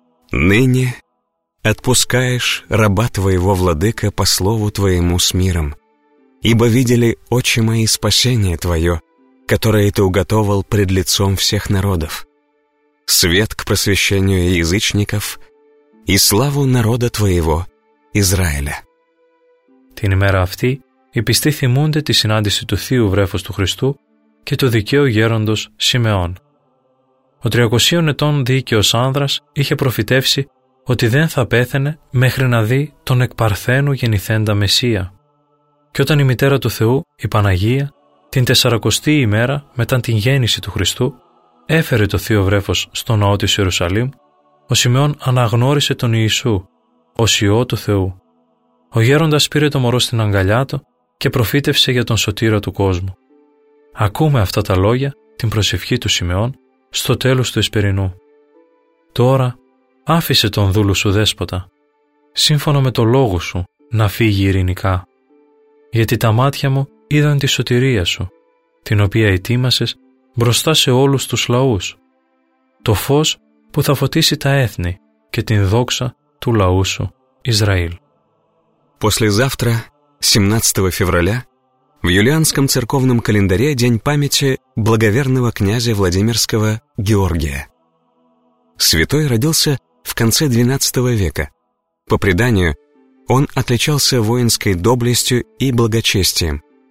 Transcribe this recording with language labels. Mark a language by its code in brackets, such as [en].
[ru] «Ныне отпускаешь раба твоего, Владыка, по слову твоему с миром, ибо видели очи мои спасение твое, которое ты уготовал пред лицом всех народов, свет к просвещению язычников и славу народа твоего, Израиля». [el] Την ημέρα αυτή, οι πιστοί θυμούνται τη συνάντηση του Θείου Βρέφους του Χριστού και του δικαίου γέροντος Σιμεών. Ο 300 ετών δίκαιος άνδρας είχε προφητεύσει ότι δεν θα πέθαινε μέχρι να δει τον εκ Παρθένου γεννηθέντα Μεσσία. Και όταν η μητέρα του Θεού, η Παναγία, την 400η ημέρα μετά την γέννηση του Χριστού, έφερε το Θείο Βρέφος στο ναό της Ιερουσαλήμ, ο Σιμεών αναγνώρισε τον Ιησού ως Υιό του Θεού. Ο γέροντας πήρε το μωρό στην αγκαλιά του και προφήτευσε για τον σωτήρα του κόσμου. Ακούμε αυτά τα λόγια, την προσευχή του Σιμεών, στο τέλος του Εσπερινού. «Τώρα άφησε τον δούλου σου δέσποτα, σύμφωνα με το λόγο σου, να φύγει ειρηνικά. Γιατί τα μάτια μου είδαν τη σωτηρία σου, την οποία ετοίμασες μπροστά σε όλους τους λαούς. Το φως που θα φωτίσει τα έθνη και την δόξα του λαού σου, Ισραήλ». [ru] Послезавтра, 17 февраля, в юлианском церковном календаре день памяти благоверного князя Владимирского Георгия. Святой родился в конце XII века. По преданию, он отличался воинской доблестью и благочестием.